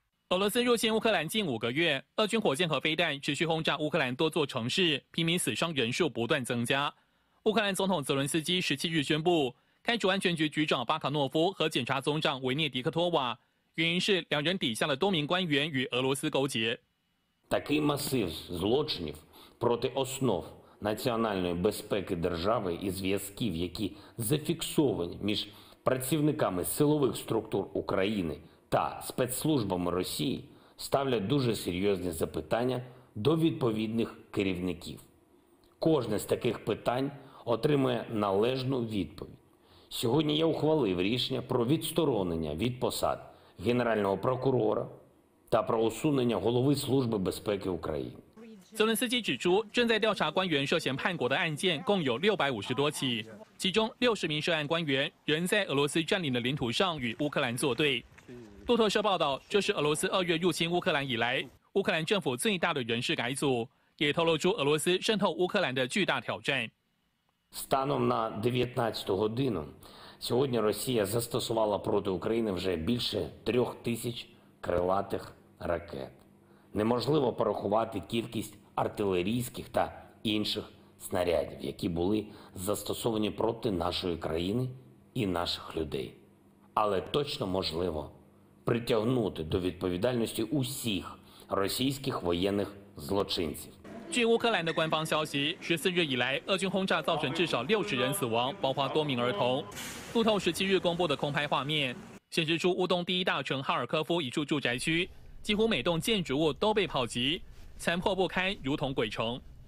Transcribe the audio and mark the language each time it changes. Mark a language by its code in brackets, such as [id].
[zh] 俄罗斯入侵乌克兰近五个月，俄军火箭和飞弹持续轰炸乌克兰多座城市，平民死伤人数不断增加。乌克兰总统泽伦斯基17日宣布开除安全局局长巴卡诺夫和检察总长维涅迪克托瓦，原因是两人底下的多名官员与俄罗斯勾结。 [uk] Такий масив злочинів проти основ національної безпеки держави і зв'язків, які зафіксовані між працівниками силових структур України та спецслужбами Росії, ставлять дуже серйозні запитання до відповідних керівників. Кожне з таких питань отримує належну відповідь. Сьогодні я ухвалив рішення про відсторонення від посад генерального прокурора та про усунення голови Служби безпеки України. [zh] 泽伦斯基指出，正在调查官员涉嫌叛国的案件共有650多起，其中60名涉案官员仍在俄罗斯占领的领土上与乌克兰作对。路透社报道，这是俄罗斯2月入侵乌克兰以来乌克兰政府最大的人事改组，也透露出俄罗斯渗透乌克兰的巨大挑战。 [uk] Станом на 19 годину сьогодні Росія застосувала проти України вже більше 3000 крилатих ракет. Неможливо порахувати кількість артилерійських та інших снарядів, які були застосовані проти нашої країни і наших людей. Але точно можливо притягнути до відповідальності усіх російських воєнних злочинців. [zh] 据乌克兰的官方消息，14日以来，俄军轰炸造成至少60人死亡，包括多名儿童。路透17日公布的空拍画面显示出乌东第一大城哈尔科夫一处住宅区，几乎每栋建筑物都被炮击，残破不堪，如同鬼城。